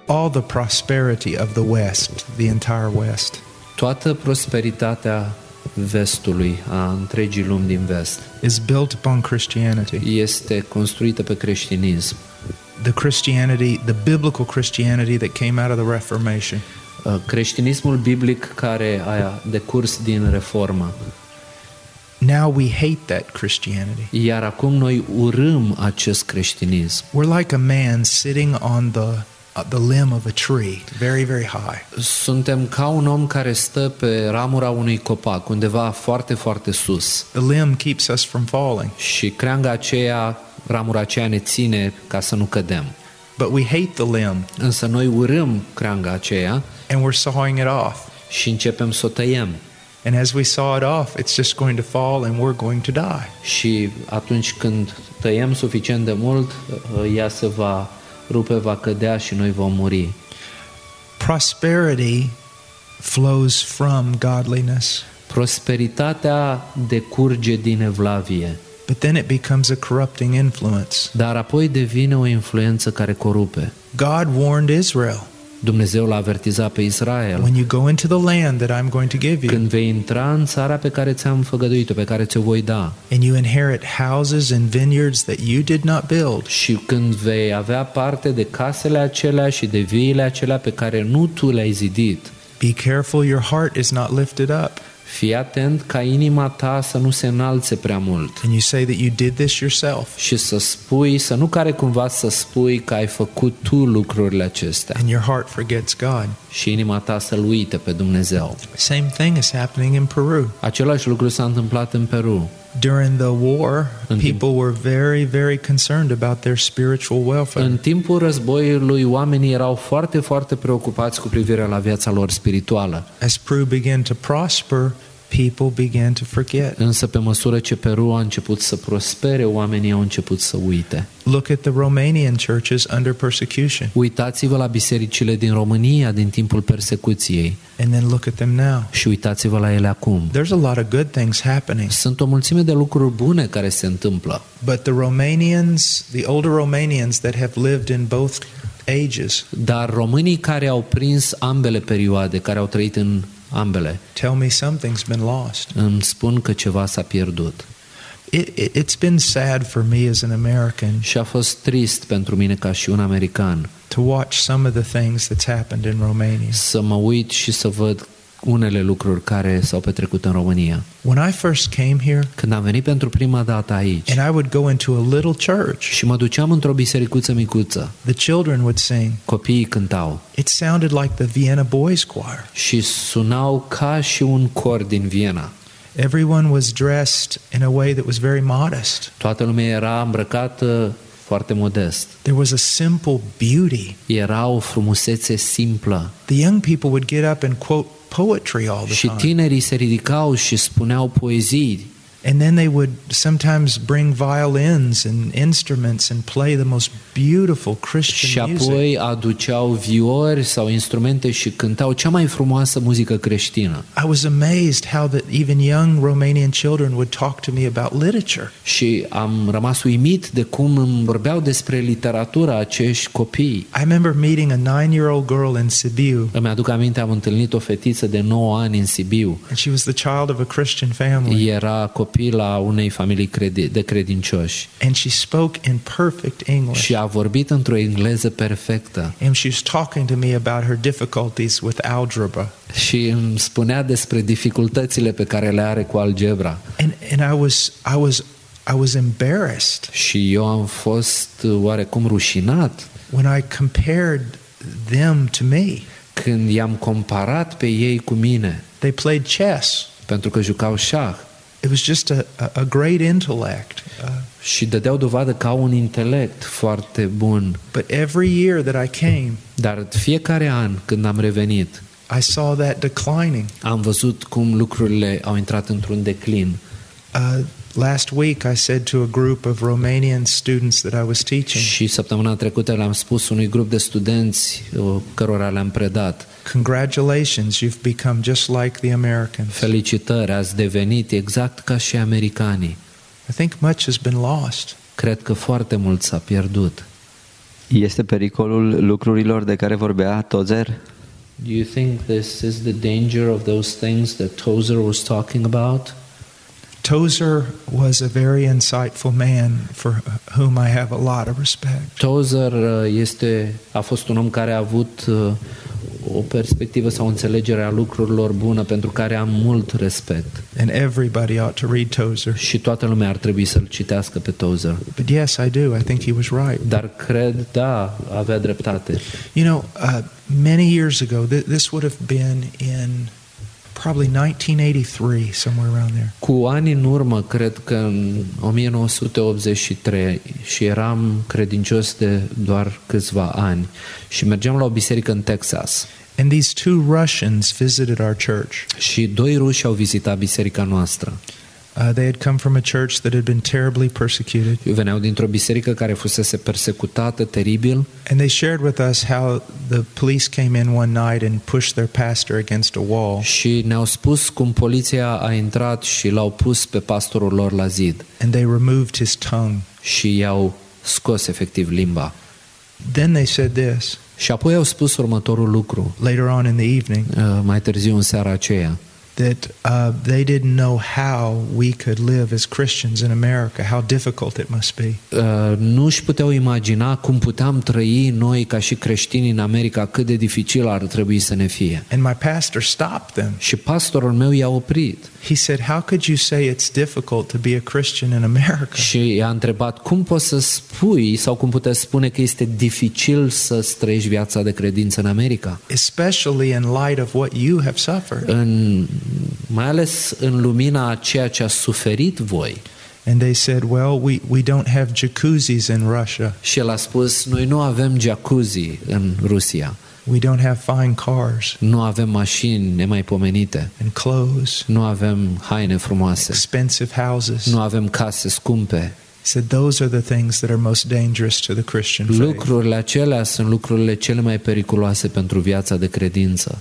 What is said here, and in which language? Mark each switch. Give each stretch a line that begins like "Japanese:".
English: The prosperity of the West, the entire West.
Romanian: Toată prosperitatea vestului, a întregii lumi din vest,
English: is built upon Christianity.
Romanian: Este construită pe creștinism.
English: The Christianity, the biblical Christianity that came out of the Reformation.
Romanian: Creștinismul biblic care a decurs din reformă.
English: Now we hate that Christianity.
Romanian: Iar acum noi urâm acest creștinism.
English: We're like a man sitting on the limb of a tree, very, very high.
Romanian: Suntem ca un om care stă pe ramura unui copac, undeva foarte, foarte sus.
English: The limb keeps us from falling.
Romanian: Și creanga aceea, ramura aceea ne ține ca să nu cădem.
English: But we hate the limb.
Romanian: Însă noi urâm creanga aceea.
English: And we're sawing it off.
Romanian: Și începem să o tăiem.
English: And as we saw it off, it's just going to fall and we're going to die.
Romanian: Și atunci când tăiem suficient de mult, ea se va rupe, va cădea și noi vom muri.
English: Prosperity flows from godliness.
Romanian: Prosperitatea decurge din evlavie.
English: But then it becomes a corrupting influence.
Romanian: Dar apoi devine o influență care corupe.
English: God warned Israel.
Romanian: Dumnezeu l-a avertizat pe Israel.
English: When you go into the land that I'm going to give you.
Romanian: Când vei intra în țara pe care ți-am făgăduit-o, pe care ți-o voi da.
English: And you inherit houses and vineyards that you did not build.
Romanian: Și când vei avea parte de casele acelea și de viile acelea pe care nu tu le-ai zidit.
English: Be careful your heart is not lifted up.
Romanian: Fii atent ca inima ta să nu se înalțe prea mult.
English: And you say that you did this yourself.
Romanian: Și să spui, să nu care cumva să spui că ai făcut tu lucrurile acestea.
English: And your heart forgets God.
Romanian: Și inima ta să-L uite pe Dumnezeu.
English: Same thing is happening in Peru.
Romanian: Același lucru s-a întâmplat în Peru.
English: During the war, people were very, very concerned about their spiritual welfare.
Romanian: În timpul războiului, oamenii erau foarte, foarte preocupați cu privire la viața lor spirituală.
English: As Peru began to prosper, people began to forget.
Romanian: Însă pe măsură ce Peru a început să prospere, oamenii au început să uite.
English: Look at the Romanian churches under persecution.
Romanian: Uitați-vă la bisericile din România din timpul persecuției.
English: And then look at them now.
Romanian: Și uitați-vă la ele acum.
English: There's a lot of good things happening.
Romanian: Sunt o mulțime de lucruri bune care se întâmplă.
English: But the Romanians, the older Romanians that have lived in both ages.
Romanian: Dar românii care au prins ambele perioade, care au trăit în ambele.
English: Tell me something's been lost.
Romanian: Îmi spun că ceva s-a pierdut.
English: It's been sad for me as an American.
Romanian: Și a fost trist pentru mine ca și un american.
English: To watch some of the things that's happened in Romania.
Romanian: Să mă uit și să văd unele lucruri care s-au petrecut în România.
English: When I first came here,
Romanian: când am venit pentru prima dată aici,
English: and I would go into a little church,
Romanian: și mă duceam într-o bisericuță micuță,
English: the children would sing,
Romanian: copiii cântau,
English: it sounded like the Vienna Boys Choir,
Romanian: și sunau ca și un cor din Viena.
English: Everyone was dressed in a way that was very modest.
Romanian: Toată lumea era îmbrăcată foarte modest.
English: There was a simple beauty.
Romanian: Era o frumusețe simplă.
English: The young people would get up and quote poetry all the time.
Romanian: Și tinerii se ridicau și spuneau poezii
English: And then they would sometimes bring violins and instruments and play the most beautiful Christian music.
Romanian: Și apoi aduceau viori sau instrumente și cântau cea mai frumoasă muzică creștină.
English: I was amazed how that even young Romanian children would talk to me about literature.
Romanian: Și am rămas uimit de cum îmi vorbeau despre literatura acești copii.
English: I remember meeting a 9-year-old girl in Sibiu.
Romanian: Îmi aduc aminte, am întâlnit o fetiță de 9 ani în Sibiu.
English: And she was the child of a Christian family.
Romanian: Era copila unei familii de credincioși.
English: And she spoke in perfect English.
Romanian: Și a vorbit într-o engleză perfectă.
English: And she was talking to me about her difficulties with algebra.
Romanian: Și îmi spunea despre dificultățile pe care le are cu algebra.
English: And I was embarrassed.
Romanian: Și eu am fost oarecum rușinat.
English: When I compared them to me.
Romanian: Când i-am comparat pe ei cu mine.
English: They played chess.
Romanian: Pentru că jucau șah.
English: It was just a great intellect.
Romanian: Și dădeau dovadă că au un intelect foarte bun.
English: But every year that I came,
Romanian: dar fiecare an când am revenit,
English: I saw that declining.
Romanian: Am văzut cum lucrurile au intrat într-un declin.
English: Last week I said to a group of Romanian students that I was teaching.
Romanian: Și săptămâna trecută le-am spus unui grup de studenți cărora le-am predat.
English: Congratulations, you've become just like the Americans.
Romanian: Felicitări, ați devenit exact ca și americanii.
English: I think much has been lost.
Romanian: Cred că foarte mult s-a pierdut. Este pericolul lucrurilor de care vorbea Tozer?
English: Do you think this is the danger of those things that Tozer was talking about? Tozer was a very insightful man for whom I have a lot of respect.
Romanian: Tozer a fost un om care a avut o perspectivă sau înțelegere a lucrurilor bună pentru care am mult respect.
English: And everybody ought to read Tozer.
Romanian: Și toată lumea ar trebui să-l citească pe Tozer.
English: But yes, I do. I think he was right.
Romanian: Dar cred, da, avea dreptate.
English: You know, many years ago, this would have been in probably 1983, somewhere around there.
Romanian: Cu ani în urmă, cred că în 1983, și eram credincios de doar câțiva ani și mergeam la o biserică în Texas.
English: And these two Russians visited our church.
Romanian: Și doi ruși au vizitat biserica noastră.
English: They had come from a church that had been terribly persecuted.
Romanian: Veneau dintr-o biserică care fusese persecutată teribil.
English: And they shared with us how the police came in one night and pushed their pastor against a wall.
Romanian: Și ne-au spus cum poliția a intrat și l-au pus pe pastorul lor la zid.
English: And they removed his tongue.
Romanian: Și i-au scos efectiv limba.
English: Then they said this.
Romanian: Și apoi au spus următorul lucru.
English: Later on in the evening.
Romanian: Mai târziu în seara aceea.
English: That they didn't know how we could live as Christians in America, how difficult it must be.
Romanian: Nu își puteau imagina cum puteam trăi noi ca și creștini în America, cât de dificil ar trebui să ne fie.
English: And my pastor stopped them.
Romanian: Și pastorul meu i-a oprit.
English: He said, "How could you say it's difficult to be a Christian in America?"
Romanian: Și i-a întrebat, "Cum poți să spui sau cum puteți spune că este dificil să trăiești viața de credință în America?"
English: Especially in light of what you have suffered.
Romanian: Mai ales în lumina a ceea ce a suferit voi.
English: And they said, "Well, we don't have jacuzzis in Russia."
Romanian: Și el a spus, "Noi nu avem jacuzzi în Rusia."
English: "We don't have fine cars."
Romanian: Nu avem mașini nemaipomenite.
English: "And clothes."
Romanian: Nu avem haine frumoase.
English: "Expensive houses."
Romanian: Nu avem case scumpe.
English: Said those are the things that are most dangerous to the Christian faith.
Romanian: Lucrurile acelea sunt lucrurile cele mai periculoase pentru viața de credință.